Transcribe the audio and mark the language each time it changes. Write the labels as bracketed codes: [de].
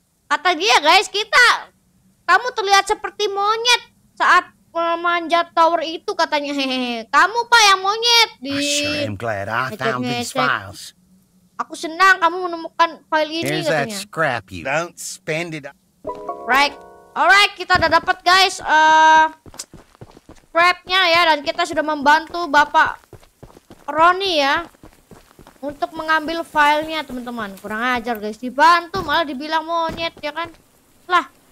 [id] Kata dia, guys, kamu terlihat seperti monyet saat memanjat tower itu katanya. Kamu Pak yang monyet. [en] I sure am glad I found these files. [id] Aku senang kamu menemukan file ini. [en] Here's [id] katanya. [en] That scrap you. Don't spend it. Right. Alright, [id] kita udah dapat, guys, scrapnya ya, dan kita sudah membantu Bapak Roni ya. Untuk mengambil filenya teman-teman. Kurang ajar guys, dibantu malah dibilang monyet ya kan. Lah.